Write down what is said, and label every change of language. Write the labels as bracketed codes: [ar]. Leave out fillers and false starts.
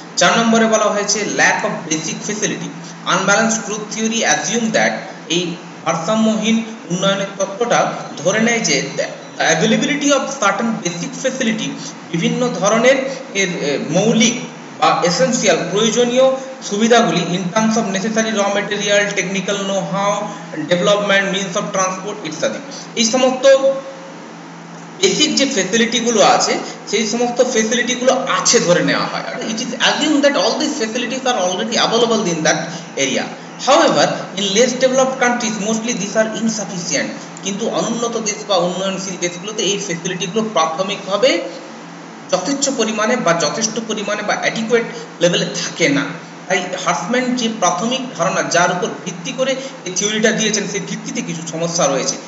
[bn] চার নম্বরে বলা হয়েছে lack of basic facility. [en] unbalanced growth theory assume that, [bn] এই ভারসাম্যহীন উন্নয়নের তত্ত্বটা ধরে নেয় যে [en] availability of certain basic facility, [bn] বিভিন্ন ধরনের মৌলিক বা এসেন্সিয়াল প্রয়োজনীয় সুবিধাগুলি [en] in terms of necessary raw material, technical know how, development, means of transport [bn] ইত্যাদি, এই সমস্ত বেসিক যে ফেসিলিটিগুলো আছে সেই সমস্ত ফেসিলিটিগুলো আছে ধরে নেওয়া হয়। [en] It is assume that all this facilities are already available in that area. However, in less developed countries, mostly these are insufficient. [bn] কিন্তু অনুন্নত দেশ বা উন্নয়নশীল দেশগুলোতে এই ফেসিলিটিগুলো প্রাথমিকভাবে যথেচ্ছ পরিমাণে বা যথেষ্ট পরিমাণে বা অ্যাডিকুয়েট লেভেলে থাকে না। তাই হার্সম্যান যে প্রাথমিক ধারণা যার উপর ভিত্তি করে এই থিওরিটা দিয়েছেন সেই ভিত্তিতে কিছু সমস্যা রয়েছে।